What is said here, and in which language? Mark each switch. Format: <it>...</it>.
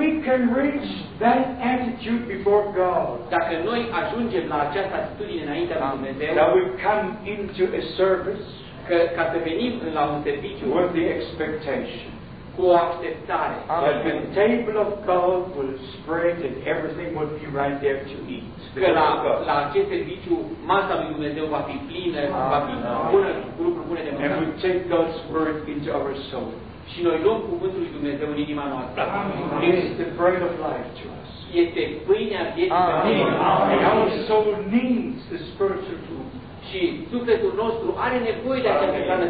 <en>Can reach that attitude before God.</en> <ro>Dacă noi ajungem la această atitudine înaintea lui Dumnezeu,</ro> <en>that we come into a service,</en> <ro>ca să venim la un serviciu,</ro> <en>with the expectation,</en> <ro>cu o așteptare,</ro> <en>that the table of God will spread and everything will be right there to eat.</en> <ro>Că la acest serviciu masa lui Dumnezeu va fi plină, va fi bună, cu lucruri bune de mâncat.</ro> <en>And we take God's word into our soul.</en> <ro>Și noi luăm cuvântul lui Dumnezeu în inima noastră.</ro> <en>Amen. It is the bread of life to us.</en> <ro>Este pâinea vieții.</ro> <en>Amen. Our soul needs the spiritual food.</en> <ro>Și sufletul nostru are nevoie de această hrană</ro>